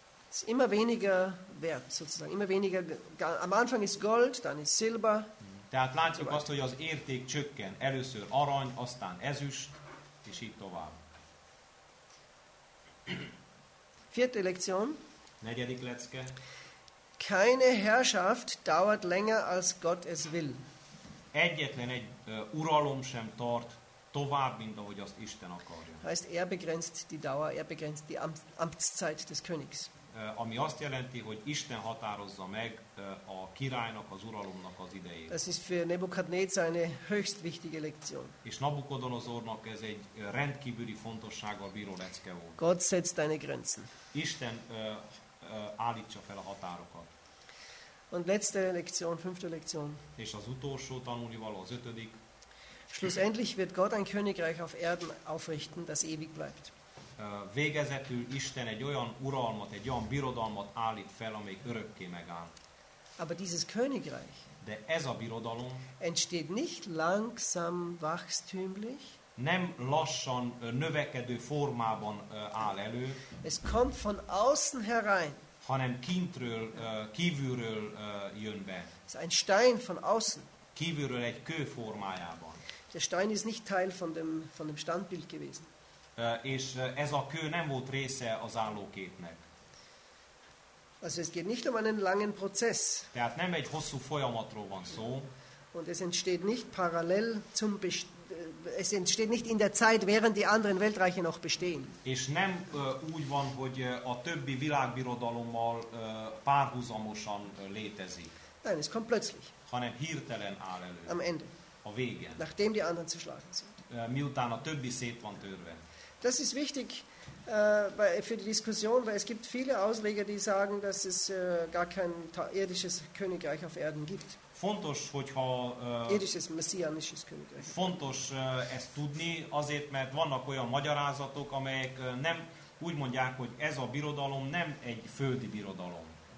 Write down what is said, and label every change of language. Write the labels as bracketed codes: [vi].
[de] Es ist immer weniger wert, sozusagen. Immer weniger, am Anfang ist Gold, dann ist Silber. [hu] Tehát látjuk azt, hogy az érték csökken. Először arany, aztán ezüst. És így tovább. [de] Vierte Lektion. [hu] Negyedik lecke. [de] Keine Herrschaft dauert länger als Gott es will. [hu] Egyetlen egy uralom sem tart tovább, mint ahogy azt Isten akarja. [de] Heißt, er begrenzt die Dauer, er begrenzt die Amtszeit des Königs. [hu] Ami azt jelenti, hogy Isten határozza meg a királynak, az uralomnak az idejét. [de] Das ist für Nebukadnezar eine höchst wichtige Lektion. [hu] És Nabukodonozornak ez egy rendkívüli fontossággal bíró lecke volt. [de] Gott setzt deine Grenzen. [hu] Isten állítsa fel a határokat. [de] Und letzte Lektion, fünfte Lektion. [hu] És az utolsó tanulnivaló, az ötödik. [de] Schlussendlich wird Gott ein Königreich auf Erden aufrichten, das ewig bleibt. [hu] Végezetül Isten egy olyan uralmat, egy olyan birodalmat állít fel, amelyik örökké megáll. [de] Aber dieses Königreich, [hu] de ez a birodalom, [de] entsteht nicht langsam wachstümlich, [hu] nem lassan növekedő formában áll elő, [de] es kommt von außen herein, [hu] hanem kintről, kívülről jön be. [de] Es ist ein Stein von außen, [hu] kívülről egy kő formájában. [de] Der Stein ist nicht Teil von dem Standbild gewesen. [hu] És ez a kő nem volt része az állóképnek. [de] Also es geht nicht um einen langen Prozess. [hu] Tehát nem egy hosszú folyamatról van szó. [de] Und es entsteht nicht parallel zum es entsteht nicht in der Zeit, während die anderen Weltreiche noch bestehen. [hu] És nem úgy van, hogy a többi világbirodalommal párhuzamosan létezik. [de] Nein, es kommt plötzlich. [hu] Hanem hirtelen áll elő. [de] Am Ende. [hu] A végén. [de] Nachdem die anderen zerschlagen sind. [hu] Miután a többi szét van törve. [de] Das ist wichtig für die Diskussion, weil es gibt viele Ausleger, die sagen, dass es gar kein irdisches Königreich auf Erden gibt. [hu] Fontos, hogyha [de] irdisches messianisches Königreich. [hu] Fontos ezt tudni, azért, mert vannak olyan magyarázatok, amelyek nem úgy mondják, hogy ez a birodalom nem egy földi birodalom.